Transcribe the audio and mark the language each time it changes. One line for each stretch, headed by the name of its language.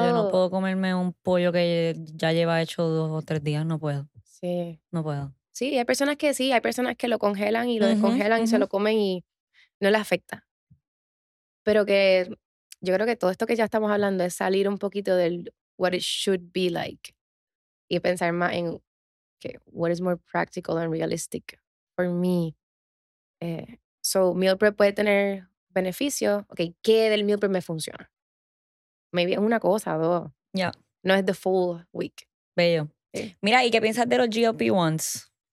Spanish: No, yo no puedo comerme un pollo que ya lleva hecho 2 o 3 días, no puedo. Sí. No puedo. Sí, hay personas que sí, hay personas que lo congelan y lo uh-huh, descongelan uh-huh. y se lo comen y no le afecta. Pero que yo creo que todo esto que ya estamos hablando es salir un poquito del
English: what it should be like
Spanish: y pensar más en...
English: Okay, what is more practical and realistic for me?
Spanish: So, meal prep puede tener beneficio. Okay, ¿qué del meal prep me funciona? Maybe es una cosa o dos.
English: Yeah.
Spanish: No es
English: the full week.
Spanish: Bello. Okay. Mira, ¿y qué piensas de los GLP-1s?